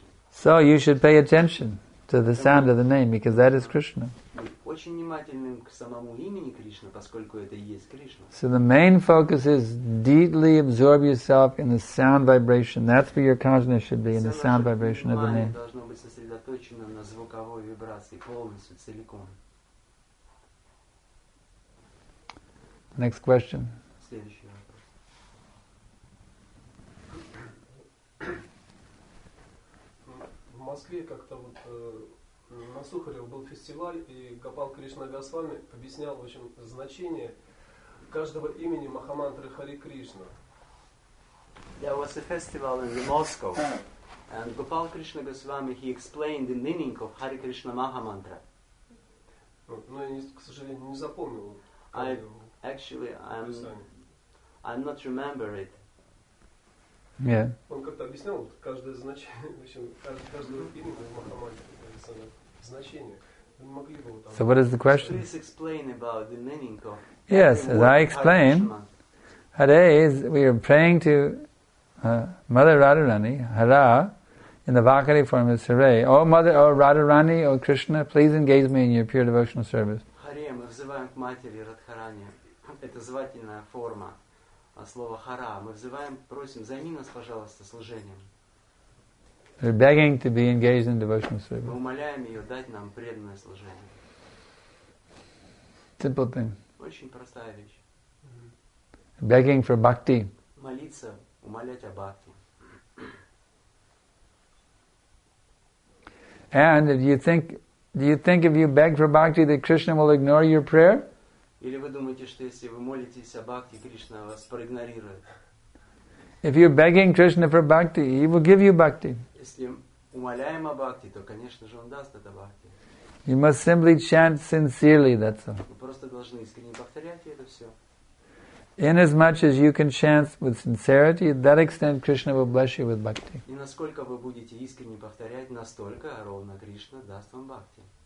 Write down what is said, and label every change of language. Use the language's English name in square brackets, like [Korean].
[English] So you should pay attention to the sound of the name because that is Krishna. [Russian] Очень внимательным к самому имени Кришна, поскольку это и есть Кришна. [English] So the main focus is deeply absorb yourself in the sound vibration. That's where your consciousness should be, in the sound vibration of the name. [Russian] Все должно быть сосредоточено на звуковой вибрации полностью, целиком. [English] Next question. [Russian] В Москве как-то вот на Сухареве был фестиваль, и Гопал Кришна Госвами объяснял, в общем, значение каждого имени Махамантры Хари Кришна. [English] There was a festival in Moscow, and Gopal Krishna Goswami, he explained the meaning of Hari Krishna Mahamantra. [Russian] Но я, к сожалению, не запомнил. [English] I'm not remember it. Yeah. [Russian] Он как-то объяснял вот, каждое значение, в общем, [English] So what is the question? The of yes, as I explain, Hare is we are praying to Mother Radharani, Hara, in the Vakari form is Hare. Oh Mother, oh Radharani, oh Krishna, please engage me in your pure devotional service. [Russian] Hare, мы взываем к матери Радхарани. Это звательная форма. Слово хара. Мы взываем, просим, займи нас, пожалуйста, служением. [English] We're begging to be engaged in devotional service. [Russian] Мы умоляем ее дать нам преданное служение. [English] Simple thing. [Russian] Очень простая вещь. [English] Mm-hmm. Begging for bhakti. [Russian] Молиться, умолять о бхакти. [English] And do you think if you beg for bhakti that Krishna will ignore your prayer? [Russian] Или вы думаете, что если вы молитесь о бхакти, Кришна вас проигнорирует? [English] If you're begging Krishna for bhakti, he will give you bhakti. [Russian] Если умоляем о бхакти, то, конечно же, он даст это бхакти. [English] You must simply chant sincerely, that's all. [Russian] Вы просто должны искренне повторять это все. [English] Inasmuch as you can chant with sincerity, to that extent Krishna will bless you with bhakti. [Russian] И насколько вы будете искренне повторять, настолько ровно Кришна даст вам бхакти.